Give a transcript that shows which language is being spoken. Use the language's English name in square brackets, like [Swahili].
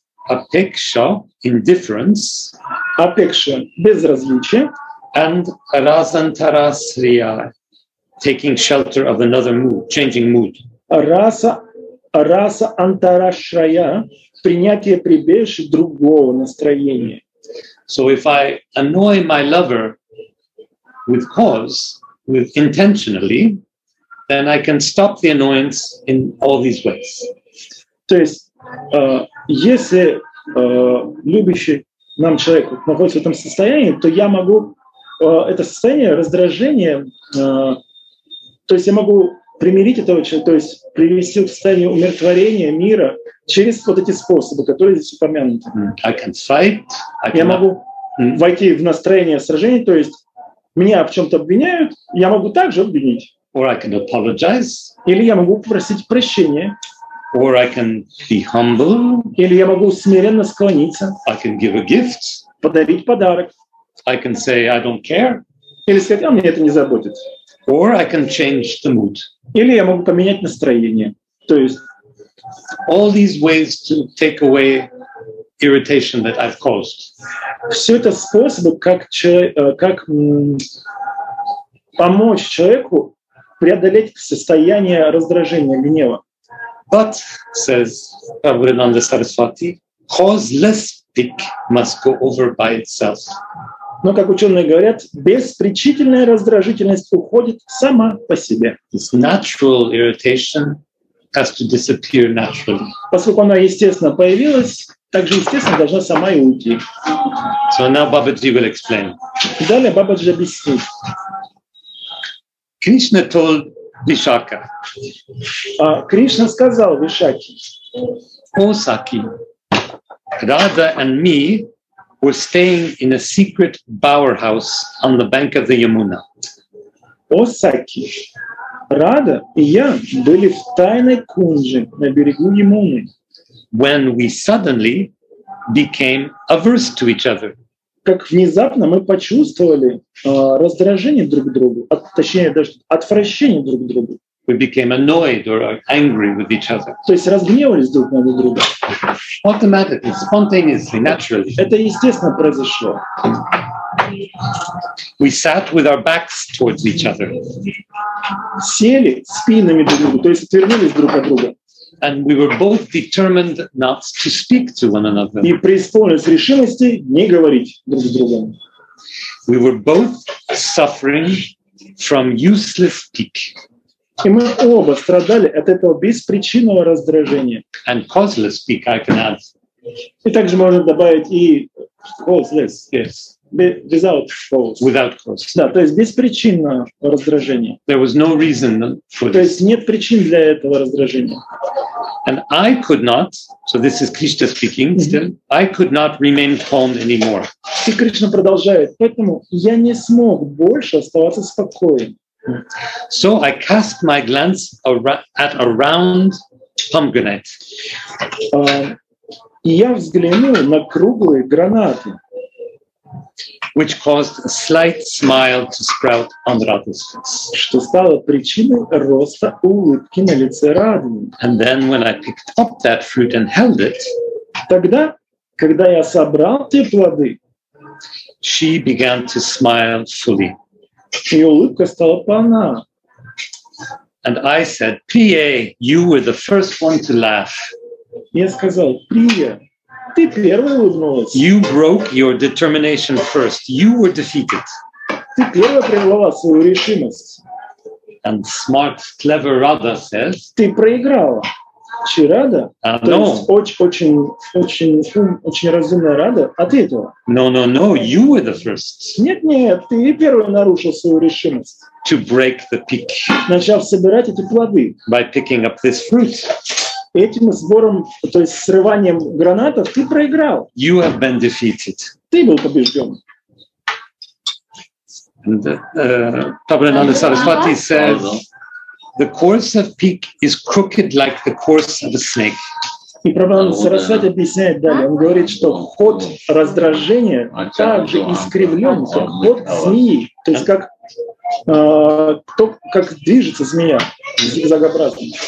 [English] Апекша, indifference. [Russian] Апекша, безразличие. [English] And расантарасрия, taking shelter of another mood, changing mood. [Russian] Раса антарашрая, принятие прибежища другого настроения. [English] So if I annoy my lover with cause, with intentionally, then I can stop the annoyance in all these ways. [Russian] То есть, если любящий нам человек находится в этом состоянии, то я могу это состояние раздражения, то есть я могу примирить этого человека, то есть привести в состояние умиротворения мира через вот эти способы, которые здесь упомянуты. [English] I can fight, [Russian] я могу войти в настроение сражения, то есть меня в чем-то обвиняют, я могу также обвинить. [English] Or I can apologize. [Russian] Или я могу попросить прощения. [English] Or I can be humble. [Russian] Или я могу смиренно склониться. [English] I can give a gift. [Russian] Подарить подарок. [English] I can say I don't care. [Russian] Или сказать, а мне это не заботит. [English] Or I can change the mood. [Russian] Или я могу поменять настроение. То есть [English] all these ways to take away irritation that I've caused. [Russian] Все это способы, как помочь человеку преодолеть состояние раздражения, гнева. [English] But, says Prabhupada Sarasvati, causeless pick must go over by itself. [Russian] Но, как ученые говорят, беспричительная раздражительность уходит сама по себе. [English] This natural irritation has to disappear naturally. [Russian] Поскольку она естественно появилась, также, естественно, должна сама и уйти. [English] So now Babaji will explain. [Russian] Далее Бабаджи объяснит. [English] Кришна told Вишака. [Russian] Кришна сказал Вишаке. [English] О Саки, Радха and me were staying in a secret bower house on the bank of the Yamuna. [Russian] О Саки, Радха и я были в тайной кунже на берегу Ямуны. [English] When we suddenly became averse to each other. [Russian] Как внезапно мы почувствовали раздражение друг к другу, точнее даже отвращение друг к другу. [English] We became annoyed or angry with each other. [Russian] То есть разгневались друг на друга. [English] Automatically, spontaneously, naturally. [Russian] Это естественно произошло. [English] We sat with our backs towards each other. [Russian] Сели спинами друг к другу, то есть отвернулись друг от друга. [English] And we were both determined not to speak to one another. [Russian] И преисполнились решимости не говорить друг с другом. [English] We were both suffering from useless pique. [Russian] И мы оба страдали от этого беспричинного раздражения. [English] And causeless pique, I can add. [Russian] И также можно добавить и causeless. [English] Yes. Without cause. Without cause. [Russian] Да, то есть беспричинное раздражение. [English] There was no reason for this. [Russian] То есть нет причин для этого раздражения. [English] And I could not, so this is Krishna speaking still, I could not remain calm anymore. [Russian] И Кришна продолжает, поэтому я не смог больше оставаться спокойным. [English] So I cast my glance at a round pomegranate. [Russian] Я взглянул на круглые гранаты. [English] Which caused a slight smile to sprout on Radha's face. [Russian] Что стало причиной роста улыбки на лице Радхи. [English] And then when I picked up that fruit and held it, [Russian] тогда, когда я собрал те плоды, [English] she began to smile fully. [Russian] И улыбка стала полна. [English] And I said, Priya, you were the first one to laugh. [Russian] Я сказал, Priya, ты первая улыбнулась. [English] You broke your determination first. You were defeated. [Russian] Ты первая прервала свою решимость. [English] And smart, clever Radha says. [Russian] Ты проиграла. Чи Радха? [English] No. [Russian] Очень разумная Радха ответила. [English] No. You were the first. [Russian] Нет, ты первая нарушила свою решимость. [English] to break the peak. [Russian] Начал собирать эти плоды. [English] By picking up this fruit. [Russian] Этим сбором, то есть срыванием гранатов, ты проиграл. [English] You have been defeated. [Russian] Ты был побежден. [English] And Prabhupada Sarasvati says, the course of peak is crooked like the course of a snake. [Russian] И Прабхупада Сарасвати объясняет далее. Он говорит, что ход раздражения также искривлен, как ход змеи, то есть как, то, как движется змея, зигзагообразно.